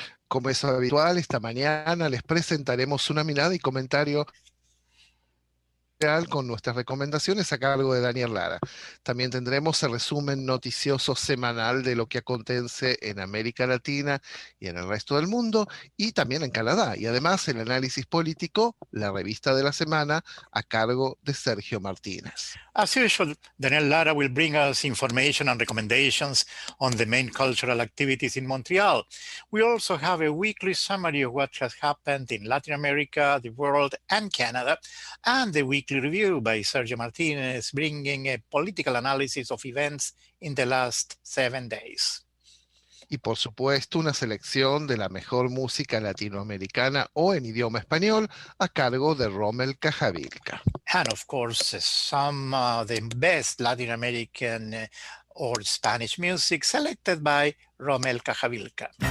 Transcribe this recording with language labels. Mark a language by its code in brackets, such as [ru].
[es] Como es habitual, esta mañana les presentaremos una mirada y comentario con nuestras recomendaciones a cargo de Daniel Lara. También tendremos el resumen noticioso semanal de lo que acontece en América Latina y en el resto del mundo, y también en Canadá. Y además el análisis político, la revista de la semana, a cargo de Sergio Martínez. [en] As usual, Daniel Lara will bring us information and recommendations on the main cultural activities in Montreal. We also have a weekly summary of what has happened in Latin America, the world, and Canada, and the weekly review by Sergio Martinez, bringing a political analysis of events in the last 7 days. [es] Y por supuesto, una selección de la mejor música latinoamericana o en idioma español a cargo de Rommel Cajavilca. [en] And of course, some of the best Latin American or Spanish music selected by Rommel Cajavilca.